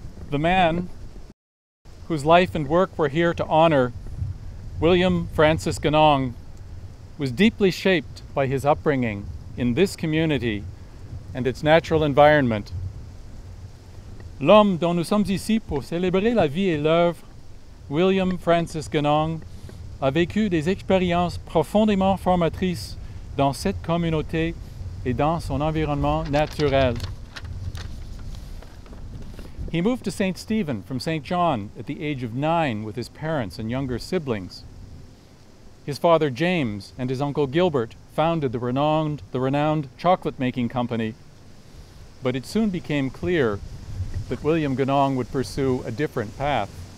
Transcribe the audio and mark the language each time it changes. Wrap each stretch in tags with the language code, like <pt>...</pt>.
<en>The man whose life and work we're here to honor, William Francis Ganong, was deeply shaped by his upbringing in this community and its natural environment.</en> <fr>L'homme dont nous sommes ici pour célébrer la vie et l'œuvre, William Francis Ganong, a vécu des expériences profondément formatrices dans cette communauté et dans son environnement naturel.</fr> <en>He moved to St. Stephen from St. John at the age of 9 with his parents and younger siblings. His father James and his uncle Gilbert founded the renowned chocolate-making company, but it soon became clear that William Ganong would pursue a different path.</en>